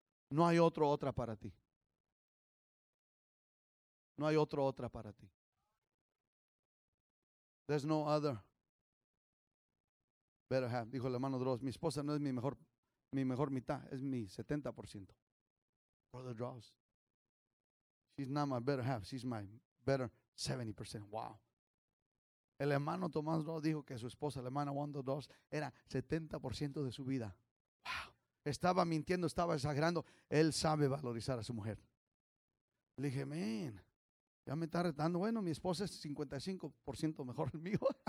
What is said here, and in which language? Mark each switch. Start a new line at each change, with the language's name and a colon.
Spanish: No hay otro, otra para ti. No hay otro, otra para ti.
English: There's no other. Better have,
Spanish: dijo el hermano Dross. Mi esposa no es mi mejor mitad, es mi 70%.
English: Brother Dross. She's not my better half, she's my better 70%. Wow.
Spanish: El hermano Tomás Dross dijo que su esposa, la hermana Wanda Dross, era 70% de su vida. Wow. Estaba mintiendo, estaba exagerando. Él sabe valorizar a su mujer. Le dije, man, ya me está retando. Bueno, mi esposa es 55% mejor que mío.